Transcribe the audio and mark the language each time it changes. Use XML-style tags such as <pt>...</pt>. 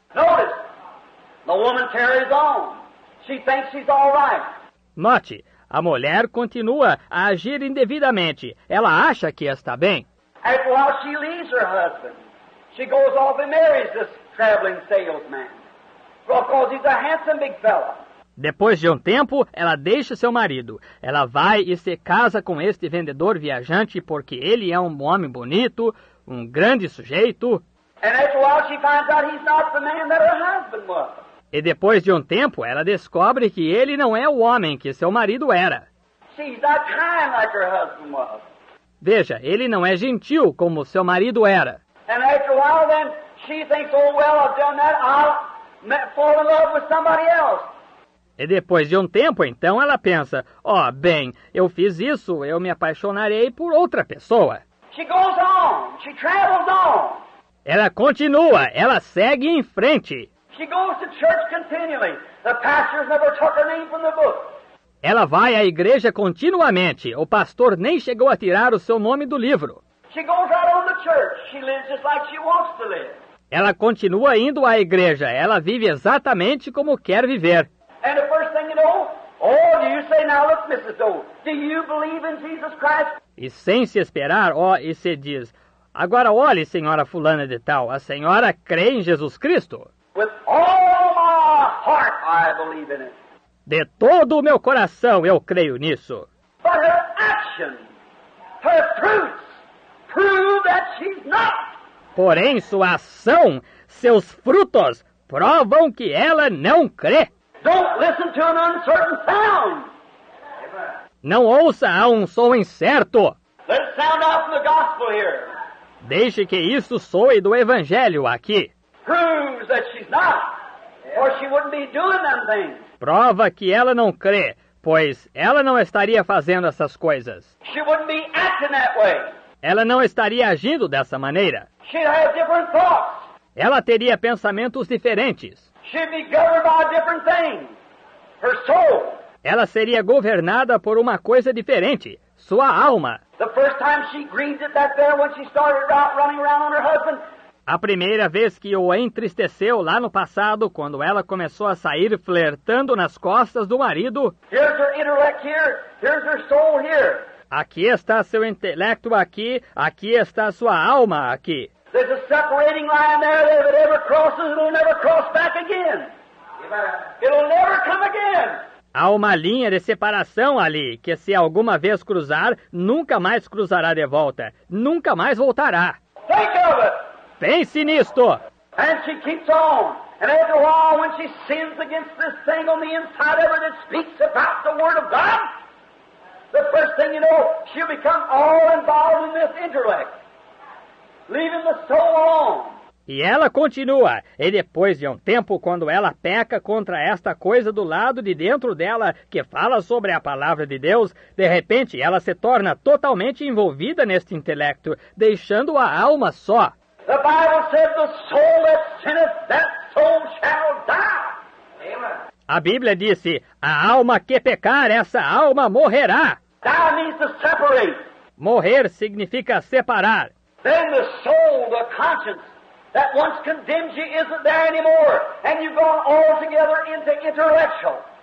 <en>Notice, the woman carries on. She thinks she's all right.</en> <pt>Note. A mulher continua a agir indevidamente. Ela acha que está bem.</pt> <en>And while she leaves her husband, she goes off and marries this traveling salesman. Because he's a handsome big fella.</en> <pt>Depois de um tempo, ela deixa seu marido. Ela vai e se casa com este vendedor viajante porque ele é um homem bonito, um grande sujeito.</pt> <en>And after while she finds out he's not the man that her husband was.</en> <pt>E depois de um tempo, ela descobre que ele não é o homem que seu marido era.</pt> <en>She's not kind like her husband was.</en> <pt>Veja, ele não é gentil como seu marido era.</pt> <en>And after a while then, she thinks, oh well, I've done that, I'll fall in love with somebody else.</en> <pt>E depois de um tempo, então, ela pensa, ó, oh, bem, eu fiz isso, eu me apaixonarei por outra pessoa.</pt> <en>She goes on, she travels on.</en> <pt>Ela continua, ela segue em frente.</pt> <en>She goes to church continually. The pastors never took her name from the book.</en> <pt>Ela vai à igreja continuamente. O pastor nem chegou a tirar o seu nome do livro.</pt> <en>She goes out on the church. She lives just like she wants to live.</en> <pt>Ela continua indo à igreja. Ela vive exatamente como quer viver.</pt> <en>And the first thing you know, oh, do you say now, look, Mrs. Doe, do you believe in Jesus Christ?</en> <pt>E sem se esperar, ó, oh, e se diz, agora olhe, senhora fulana de tal, a senhora crê em Jesus Cristo?</pt> <en>With all my heart, I believe in it.</en> <pt>De todo o meu coração, eu creio nisso.</pt> <en>But her actions, her fruits, prove that she's not.</en> <pt>Porém, sua ação, seus frutos, provam que ela não crê.</pt> <en>Don't listen to an uncertain sound.</en> <pt>Não ouça a um som incerto.</pt> <en>Let it sound out from the gospel here.</en> <pt>Deixe que isso soe do evangelho aqui.</pt> <en>Proves that she's not, or she wouldn't be doing them things.</en> <pt>Prova que ela não crê, pois ela não estaria fazendo essas coisas.</pt> <en>She wouldn't be acting that way.</en> <pt>Ela não estaria agindo dessa maneira.</pt> <en>She'd have different thoughts.</en> <pt>Ela teria pensamentos diferentes.</pt> <en>She'd be governed by a different thing. Her soul.</en> <pt>Ela seria governada por uma coisa diferente, sua alma.</pt> <en>The first time she grieved it that there when she started out running around on her husband.</en> <pt>A primeira vez que o entristeceu lá no passado, quando ela começou a sair flertando nas costas do marido.</pt> <en>Here's her intellect here. Here's her soul here.</en> <pt>Aqui está seu intelecto aqui. Aqui está sua alma aqui.</pt> <en>There's a separating line there that if it ever crosses, it'll never cross back again. It'll never come again.</en> <pt>Há uma linha de separação ali, que se alguma vez cruzar, nunca mais cruzará de volta. Nunca mais voltará.</pt> <en>Think of it.</en> <pt>Pense nisto.</pt> <en>And she keeps on. And after a while, when she sins against this thing on the inside of her that speaks about the Word of God, the first thing you know, she'll become all involved in this intellect, leaving the soul alone.</en> <pt>E ela continua, e depois de um tempo, quando ela peca contra esta coisa do lado de dentro dela que fala sobre a palavra de Deus, de repente ela se torna totalmente envolvida neste intelecto, deixando a alma só.</pt> <en>The Bible says the soul that sinneth, that soul shall die. Amen.</en> <pt>A Bíblia disse, a alma que pecar, essa alma morrerá.</pt> <en>Die means to separate.</en> <pt>Morrer significa separar.</pt> <en>Then the soul, the conscience, that once condemned you isn't there anymore, and you've gone altogether into intellectual.</en>